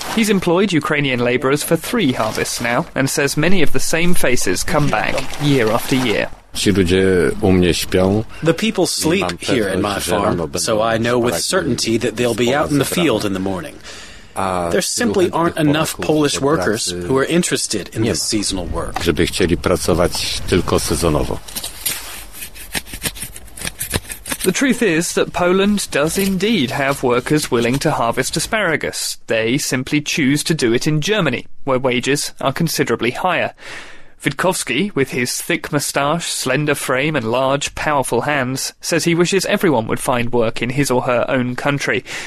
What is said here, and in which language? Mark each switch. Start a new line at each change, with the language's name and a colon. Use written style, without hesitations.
English: He's employed Ukrainian labourers for 3 harvests now and says many of the same faces come back year after year. The people sleep here in my farm, so I know with certainty that they'll be out in the field in the morning. There simply aren't enough Polish workers who are interested in this seasonal work.
Polish: Żeby chcieli pracować tylko sezonowo.
English: The truth is that Poland does indeed have workers willing to harvest asparagus. They simply choose to do it in Germany, where wages are considerably higher. Witkowski, with his thick moustache, slender frame and large, powerful hands, says he wishes everyone would find work in his or her own country.